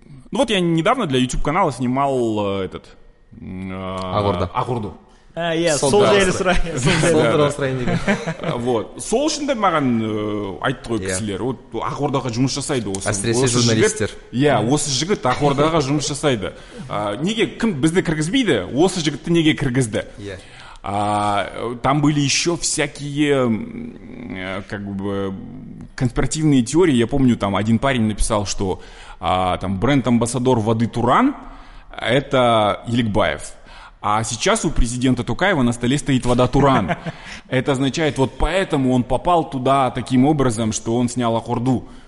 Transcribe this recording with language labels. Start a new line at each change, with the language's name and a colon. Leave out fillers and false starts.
Russian: Ну вот я недавно для YouTube-канала снимал этот... Агурда. Агурду.
Kazakh: Сол үшінде маған айтты ғой кісілер, ақордаға жұмыс жасайды осы. Әсіресе журналистер. Иә, осы жігіт ақордаға жұмыс жасайды. Неге кім бізді кіргізбейді, осы жігітті неге кіргізді?
Russian: Там были еще всякие как бы конспиративные теории. Я помню, там один парень написал, что там бренд-амбассадор воды Туран — это Еликбаев. А сейчас у президента Токаева на столе стоит вода Туран. Это означает, вот поэтому он попал туда таким образом, что он снял Ахорду.